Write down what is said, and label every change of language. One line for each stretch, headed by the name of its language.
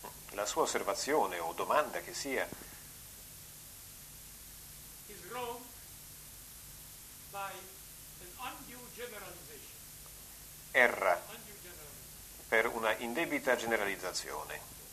Italian: La sua osservazione o domanda che sia.
English: Is wrong by an undue generalization.
Italian: Erra per una indebita generalizzazione.